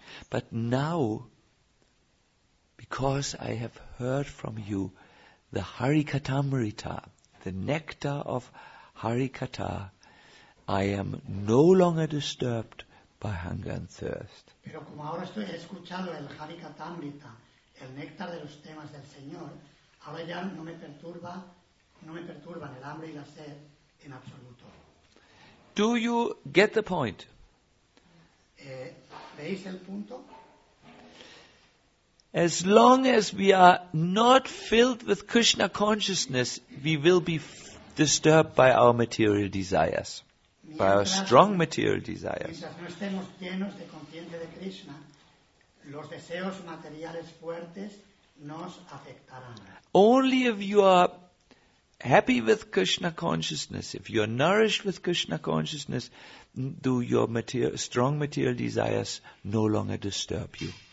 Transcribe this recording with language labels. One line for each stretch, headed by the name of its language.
English: But now, because I have heard from you the Harikathamrita, the nectar of Harikatha, I am no longer disturbed by hunger and thirst.
Spanish: Pero como ahora he escuchado el Harikathamrita, el néctar de los temas del Señor, ahora ya no me perturban el hambre y la sed en absoluto.
English: Do you get the point?
Spanish: ¿Veis el punto?
English: As long as we are not filled with Krishna consciousness, we will be disturbed by our material desires, by our strong material desires.
Spanish: Mientras no estemos llenos de conciencia de Krishna, los deseos materiales fuertes nos afectarán.
English: Only if you are happy with Krishna consciousness, if you are nourished with Krishna consciousness, do your strong material desires no longer disturb you.